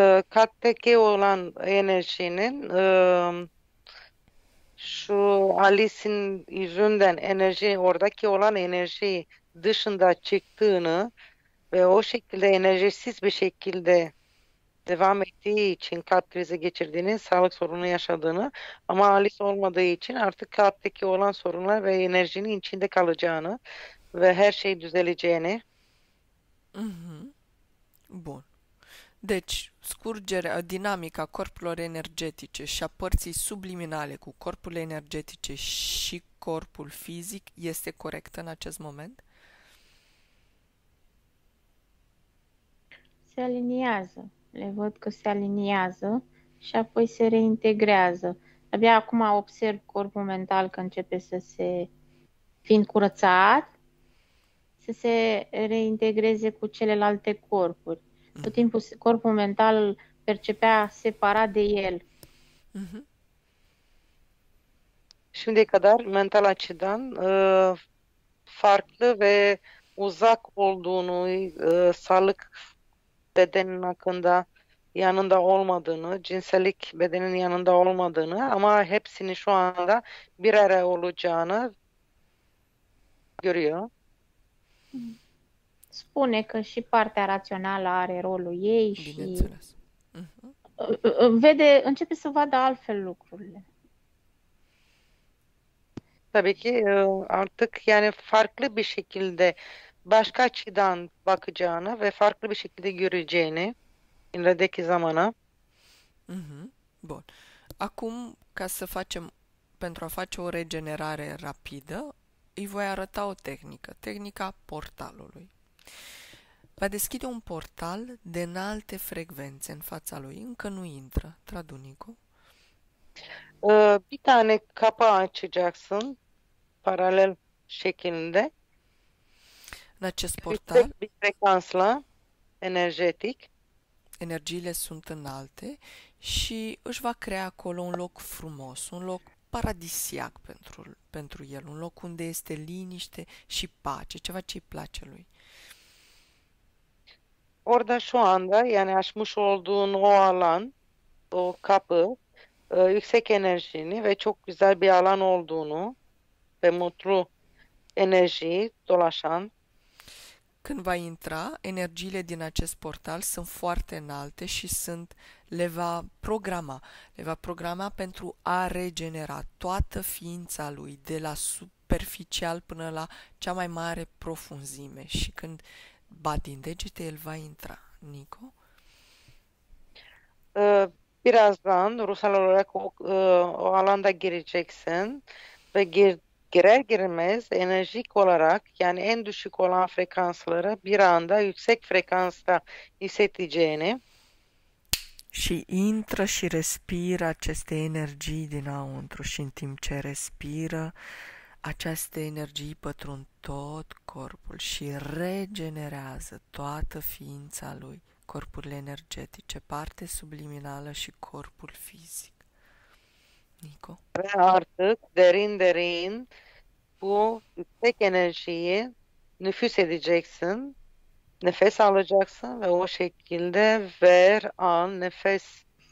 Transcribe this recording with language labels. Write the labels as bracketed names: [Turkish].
[Turkish] Kalpteki olan enerjinin şu Alice'in yüzünden enerji oradaki olan enerjiyi dışında çıktığını ve o şekilde enerjisiz bir şekilde devam ettiği için kalp krizi geçirdiğini, sağlık sorunu yaşadığını ama Alice olmadığı için artık kalpteki olan sorunlar ve enerjinin içinde kalacağını ve her şey düzeleceğini. [Romanian] Bun. Deci, scurgerea, dinamica corpurilor energetice și a părții subliminale cu corpurile energetice și corpul fizic este corectă în acest moment? Se aliniază, le văd că se aliniază și apoi se reintegrează. Abia acum observ corpul mental că începe să se, fiind curățat, să se reintegreze cu celelalte corpuri. Tot timpul corpul mental percepea separat de el. [Turkish] Şimdiye kadar mental açıdan farklı ve uzak olduğunu, sağlık bedenin hakkında yanında olmadığını, cinsellik bedenin yanında olmadığını ama hepsini şu anda bir araya olacağını görüyor. [Romanian] Spune că și partea rațională are rolul ei și Bineînțeles. vede, începe să vadă altfel lucrurile. [Turkish] Tabii ki artık yani farklı bir şekilde başka açıdan bakacağını ve farklı bir şekilde göreceğini ilerideki zamana. [Romanian] Bun. Acum, pentru a face o regenerare rapidă, îi voi arăta o tehnică, tehnica portalului. Va deschide un portal de înalte frecvențe în fața lui. Încă nu intră, tradunicu. [Turkish] Bir tane kapağı açacaksın paralel şekilde. [Romanian] În acest portal, [Turkish] Yüksek bir frekansla energetik. [Romanian] energiile sunt înalte și își va crea acolo un loc frumos, un loc paradisiac pentru el, un loc unde este liniște și pace, ceva ce îi place lui. [Turkish] Orada şu anda yani açmış olduğun o alan, o kapı yüksek enerjini ve çok güzel bir alan olduğunu ve mutlu enerjiyi dolaşan. [Romanian] Când va intra, energiile din acest portal sunt foarte înalte și le va programa. Le va programa pentru a regenera toată ființa lui, de la superficial până la cea mai mare profunzime. Și când bat din degete, el va intra. Nico? [Turkish] Birazdan ruhsal olarak o alanda gireceksin ve girer girmez enerjik olarak yani en düşük olan frekansları bir anda yüksek frekansta hissedeceğini. [Romanian] Și intră și respiră aceste energii dinăuntru și în timp ce respiră, aceste energii pătrund tot corpul și regenerează toată ființa lui, corpurile energetice, parte subliminală și corpul fizic. Nico? [Turkish] Artık derin derin bu yüksek enerjiyi nüfus edeceksin. Nefes alacaksın ve o şekilde ver, al, nefes.